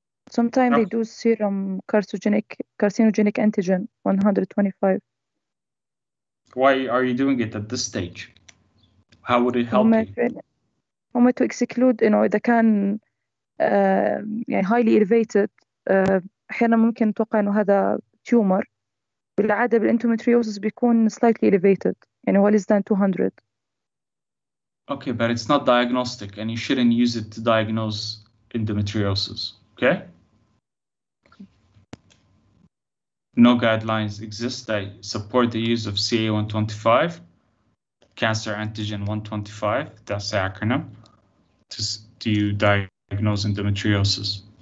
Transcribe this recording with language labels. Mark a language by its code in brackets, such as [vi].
[en] Sometimes they do serum carcinogenic antigen 125. Why are you doing it at this stage? How would it help you? I'm going to exclude, you know, the can highly elevated. [ar] أحيانا ممكن نتوقع إنه هذا tumor. بالعادة بالإنتوميتريوزس بيكون [en] slightly elevated, [ar] يعني هو [en] less than 200. Okay, but it's not diagnostic and you shouldn't use it to diagnose endometriosis, okay? No guidelines exist that support the use of CA125, cancer antigen 125, that's the acronym, to diagnose endometriosis.